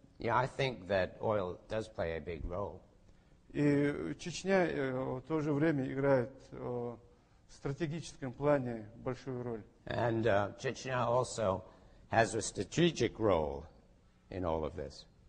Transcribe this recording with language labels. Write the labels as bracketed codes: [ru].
[en] Yeah, I think that oil does play a big role. [ru] И Чечня в то же время играет в стратегическом плане большую роль. [en] And Chechnya also has a strategic role in all of this.